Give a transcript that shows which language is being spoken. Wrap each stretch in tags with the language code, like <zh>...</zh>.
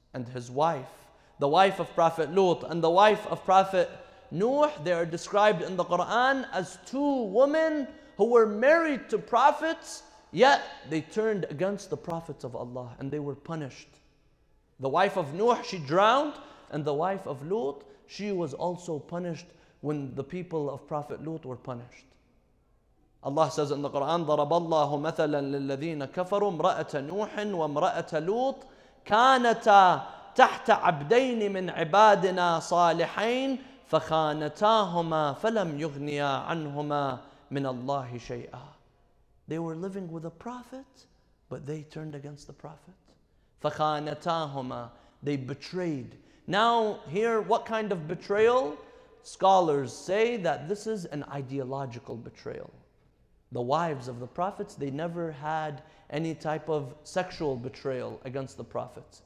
<en>And his wife, the wife of Prophet Lut and the wife of Prophet Nuh, they are described in the Quran as two women who were married to prophets, yet they turned against the prophets of Allah and they were punished. The wife of Nuh, she drowned, and the wife of Lut, she was also punished when the people of Prophet Lut were punished.</en> <ar>Allah says in the Quran, ضَرَبَ اللَّهُ مَثَلًا لِلَّذِينَ كَفَرُوا امْرَأَةَ نُوحٍ وَامْرَأَةَ لُوطٍ كَانَتَا تَحْتَ عَبْدَيْنِ مِنْ عِبَادِنَا صَالِحَيْنَ فَخَانَتَاهُمَا فَلَمْ يُغْنِيَا عَنْهُمَا مِنَ اللَّهِ شَيْئًا.</ar> <en>They were living with a prophet, but they turned against the prophet.</en> <ar>فَخَانَتَاهُمَا,</ar> <en>they betrayed. Now here, what kind of betrayal? Scholars say that this is an ideological betrayal. The wives of the prophets, they never had any type of sexual betrayal against the prophets.</en>